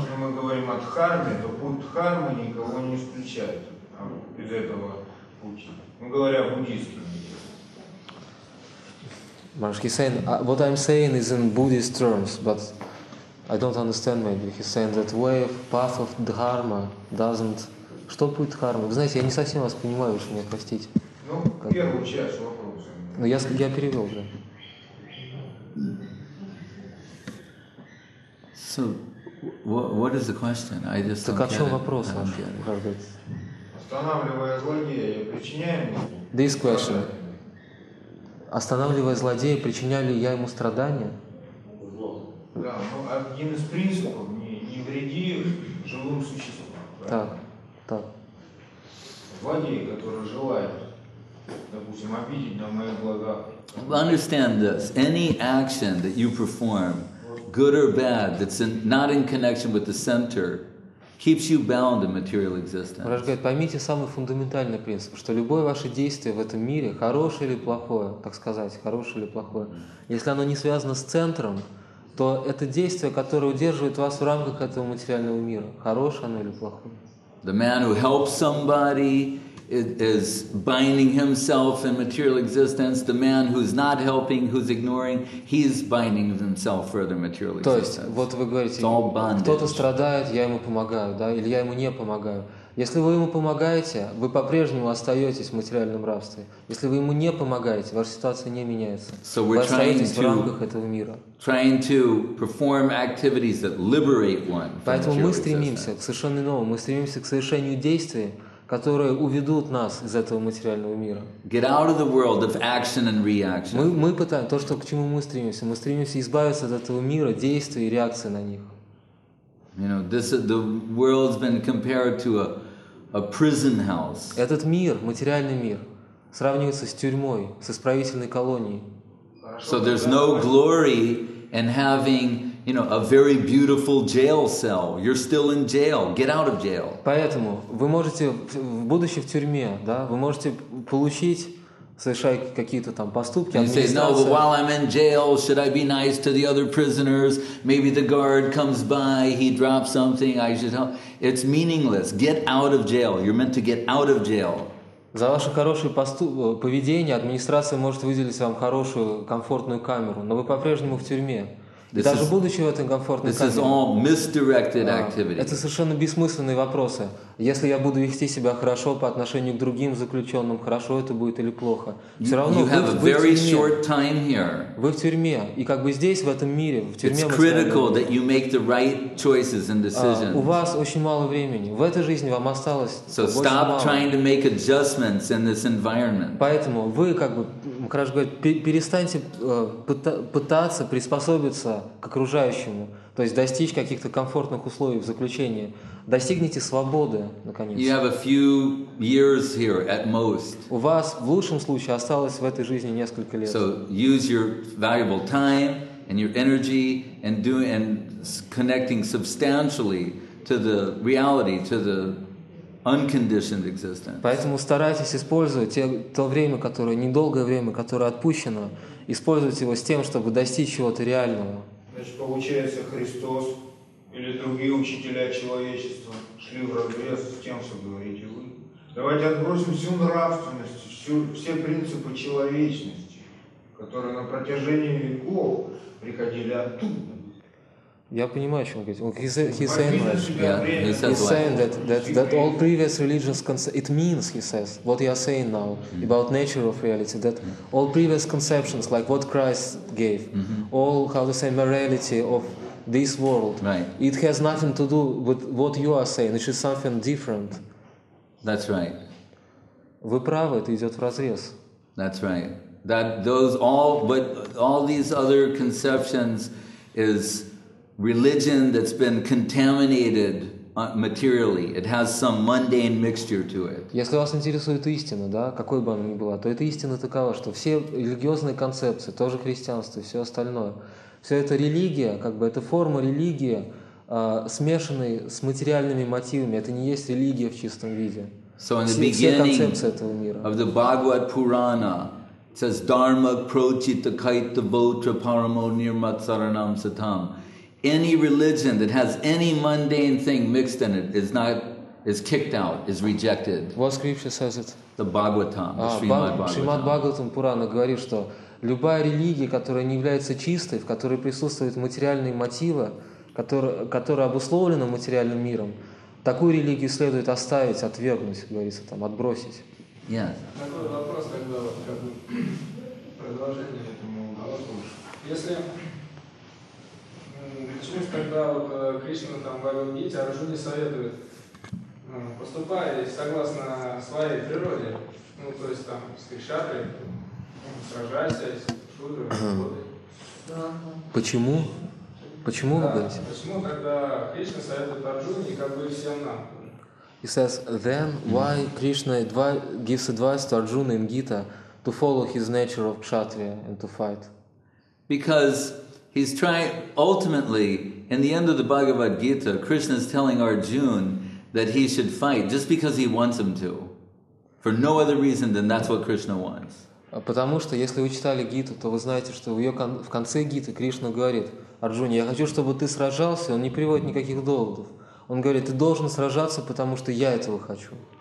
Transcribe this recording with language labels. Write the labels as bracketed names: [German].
[Russian] Если мы говорим о дхарме, то путь дхармы никого не исключает из этого пути. Мы говорим о буддийском. [English] Маршки saying, what I'm saying is in Buddhist terms, but I don't understand maybe. He's saying that way of path of dharma doesn't... [Russian] Что путь дхармы? Вы знаете, я не совсем вас понимаю, уж меня простите. Ну, как... первую часть вопроса. Ну, я перевел, да. [English] So... What is the question? I just [Russian] так [English] don't [Russian] о чем вопрос вообще? Останавливая злодея, причиняем ему? [English] This question. [Russian] Останавливая злодея, причиняли я ему страдания? Да, но один из принципов не вреди живым существам. Так, так. Злодей, который желает, допустим, обидеть на мои блага. [English] Understand this. Any action that you perform, good or bad, that's not in connection with the center, keeps you bound in material existence. [Russian] Мараш говорит, поймите самый фундаментальный принцип, что любое ваше действие в этом мире, хорошее или плохое, так сказать, хорошее или плохое, если оно не связано с центром, то это действие, которое удерживает вас в рамках этого материального мира, хорошее оно или плохое. [English] The man who helps somebody is binding himself in material existence. The man who's not helping, who's ignoring, he's binding himself further material existence. [Russian] То есть, вот вы говорите, кто-то страдает, я ему помогаю, да, или я ему не помогаю. Если вы ему помогаете, вы по-прежнему остаетесь в материальном рабстве. Если вы ему не помогаете, ваша ситуация не меняется. [English] So we're [Russian] вы остаетесь в рамках этого мира. [English] Trying to perform activities that liberate one. [Russian] Поэтому мы стремимся к совершенно иному. Мы стремимся к совершению действий, которые уведут нас из этого материального мира. [English] Get out of the world of action and reaction. [Russian] Мы пытаемся, то, что, к чему мы стремимся избавиться от этого мира, действий и реакции на них. [English] You know, the world's been compared to a prison house. [Russian] Этот мир, материальный мир, сравнивается с тюрьмой, с исправительной колонией. [English] So there's no glory in having, you know, a very beautiful jail cell. You're still in jail. Get out of jail. [Russian] Поэтому вы можете, будучи в тюрьме, да, вы можете получить совершаю какие-то там поступки. [English] And say, no, but while I'm in jail, should I be nice to the other prisoners? Maybe the guard comes by, he drops something, I should help. It's meaningless. Get out of jail. You're meant to get out of jail. [Russian] За ваше хорошее поведение администрация может выделить вам хорошую комфортную камеру, но вы по-прежнему в тюрьме. И даже будучи в этой комфортной камере. [English] This is all misdirected activity. [Russian] Это совершенно бессмысленные вопросы. Если я буду вести себя хорошо по отношению к другим заключенным, хорошо это будет или плохо? Все равно [English] you have [Russian] вы [English] a very short time here. [Russian] Вы в тюрьме, и как бы здесь в этом мире, в тюрьме. [English] It's critical that you make the right choices and decisions. [Russian] У вас очень мало времени. В этой жизни вам осталось. [English] So stop trying to make adjustments in this environment. [Russian] Поэтому вы как бы, Макраш говорит, перестаньте пытаться приспособиться к окружающему, то есть достичь каких-то комфортных условий в заключении. Достигните свободы, наконец. [English] You have a few years here at most. [Russian] У вас в лучшем случае осталось в этой жизни несколько лет. [English] So use your valuable time and your energy and doing and connecting substantially to the reality, to the unconditioned existence. [Russian] Поэтому старайтесь использовать то время, которое недолгое время, которое отпущено, использовать его с тем, чтобы достичь чего-то реального. Значит, получается, Христос или другие учителя человечества шли в разрез с тем, что говорите вы. Давайте отбросим всю нравственность, все принципы человечности, которые на протяжении веков приходили оттуда. Я понимаю, о чем он говорит. [English] He's saying that all previous religious concepts, it means, he says, what you are saying now about nature of reality, that all previous conceptions, like what Christ gave, all, how to say, morality of this world, it has nothing to do with what you are saying, it is something different. That's right. [Russian] Вы правы, это идет вразрез. [English] That's right. That those all, but all these other conceptions is religion that's been contaminated materially. It has some mundane mixture to it. [Russian] Если вас интересует истина, да, какой бы она ни была, то эта истина такова, что все религиозные концепции, тоже христианство и все остальное, все это религия, как бы это форма религии, смешанной с материальными мотивами. Это не есть религия в чистом виде. [English] So in the beginning of the Bhagavad Purana, it says [Sanskrit] Dharma prochita kaita votra paramo nirmatsaranam satam. [English] Any religion that has any mundane thing mixed in it is kicked out, is rejected. What scripture says it? The Bhagavatam, [Russian] Srimad Bhagavatam Purana говорит, что любая религия, которая не является чистой, в которой присутствуют материальные мотивы, которые обусловлены материальным миром, такую религию следует оставить, отвергнуть, говорится там, отбросить. [English] Yes. [Russian] Такой вопрос, продолжение этому вопросу. Если почему же тогда вот Кришна там говорил, идите, Арджуне советует, поступай согласно своей природе, ну то есть там с Кришатой, сражайся, с Шудрой, работай. Почему? Почему вы говорите? Почему тогда Кришна советует Арджуне, как бы и всем нам? [English] He says, then why Krishna gives advice to Arjuna in Gita to follow his nature of Kshatriya and to fight? Because he's trying, ultimately, in the end of the Bhagavad Gita, Krishna is telling Arjuna that he should fight just because he wants him to. For no other reason than that's what Krishna wants. [Russian] Потому что, если вы читали Гиту, то вы знаете, что в конце Гиты Кришна говорит, Арджуне, я хочу, чтобы ты сражался, он не приводит никаких доводов. Он говорит, ты должен сражаться, потому что я этого хочу.